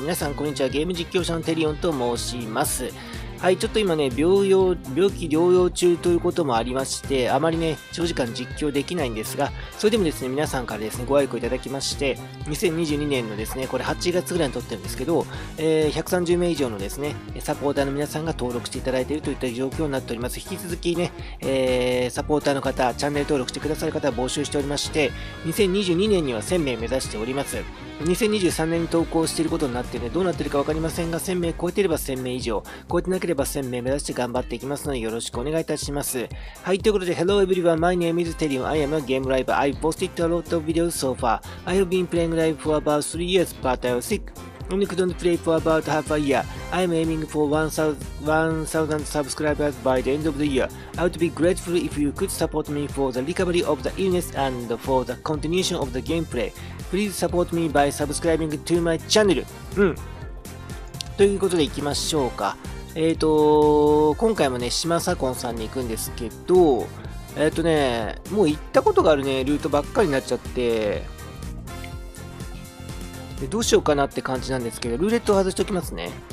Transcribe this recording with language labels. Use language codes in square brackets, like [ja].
[ja] 皆さんこんにちは。ゲーム実況者のテリオンと申します。はい、ちょっと今ね、病気療養中ということもありまして、あまりね長時間実況できないんですが、それでもですね、皆さんからですねご愛顧いただきまして、2022年のですねこれ8月ぐらいに撮ってるんですけど、130名以上のですねサポーターの皆さんが登録していただいているといった状況になっております。引き続きね、サポーターの方、チャンネル登録してくださる方募集しておりまして、2022年には1000名目指しております。 2023年に投稿していることになってね、どうなってるか分かりませんが、1000名超えてれば1000名以上、超えてなければ1000名目指して頑張っていきますので、よろしくお願いいたします。はい、ということで [en] Hello everyone, my name is Terion, I am a game driver, I've posted a lot of videos so far, I've been playing live for about 3 years but I was sick, only couldn't play for about half a year, I'm aiming for 1000 subscribers by the end of the year, I would be grateful if you could support me for the recovery of the illness and for the continuation of the gameplayPlease support me by subscribing to my channel. [ja] うん。ということで行きましょうか。今回もね、島左近さんに行くんですけど、もう行ったことがあるね、ルートばっかりになっちゃって、でどうしようかなって感じなんですけど、ルーレットを外しておきますね。